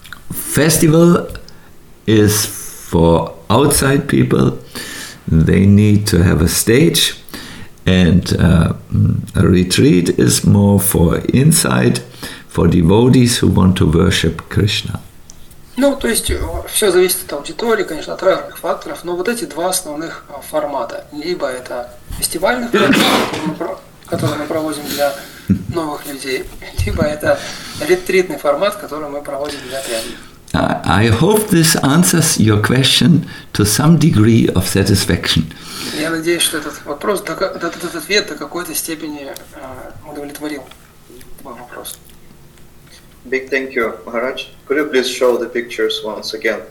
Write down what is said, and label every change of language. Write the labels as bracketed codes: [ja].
[en] Festival is for outside people. They need to have a stage, and a retreat is more for inside, for devotees who want to worship Krishna. [ru] Ну, то есть, все зависит от аудитории, конечно, от разных факторов, но вот эти два основных формата. Либо это фестивальный формат, который мы проводим для новых людей, либо это ретритный формат, который мы проводим для преданных. [en] I hope this answers your question to some degree of satisfaction. [ru] Я надеюсь, что этот вопрос, этот ответ до какой-то степени удовлетворил мой вопрос. [en] Big thank you, Maharaj. Could you please show the pictures once again?